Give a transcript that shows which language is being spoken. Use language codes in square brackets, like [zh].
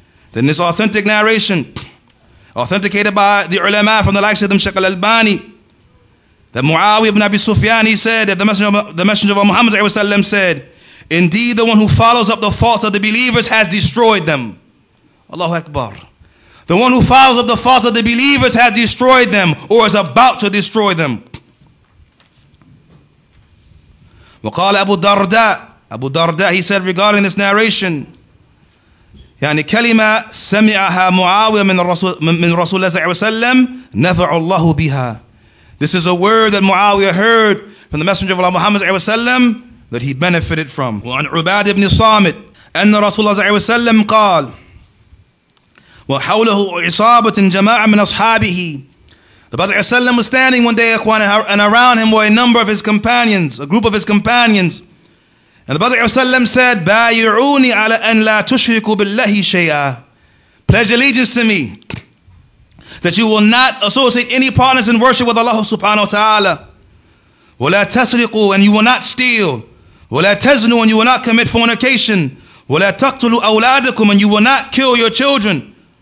[en] Then this authentic narration, authenticated by the ulama from the likes of them, Shaykh al-Albani, that Muawiyah ibn Abi Sufyan, he said, that the Messenger of Allah Muhammad sallallahu alayhi wa sallam said, indeed the one who follows up the faults of the believers has destroyed them. Allahu Akbar. The one who follows up the faults of the believers has destroyed them or is about to destroy them. [ar] وقال Abu Darda. [en] Abu Darda, he said regarding this narration, [ar] يعني كلمة سمعها معاوية من رسول الله صلى الله عليه وسلم نفع الله بها. [en] This is a word that Muawiyah heard from the Messenger of Allah Muhammad صلى الله عليه وسلم that he benefited from. [ar] وعن عباد بن صامت أن رسول الله صلى الله عليه وسلم قال وحوله عصابة جماعة من أصحابه. [en] The Prophet صلى الله عليه وسلم was standing one day, أخوان, and around him were a number of his companions, a group of his companions. And the Prophet ﷺ said, [ar] بَايِعُونِ عَلَىٰ أَنْ لَا تُشْرِكُوا بِاللَّهِ شَيْئًا. [en] Pledge allegiance to me that you will not associate any partners in worship with Allah subhanahu wa ta'ala. [ar] وَلَا تَسْرِقُوا, [en] and you will not steal. [ar] وَلَا تَزْنُوا, [en] and you will not commit fornication. [ar] وَلَا تَقْتُلُوا أَوْلَادَكُمْ, [en] and you will not kill your children.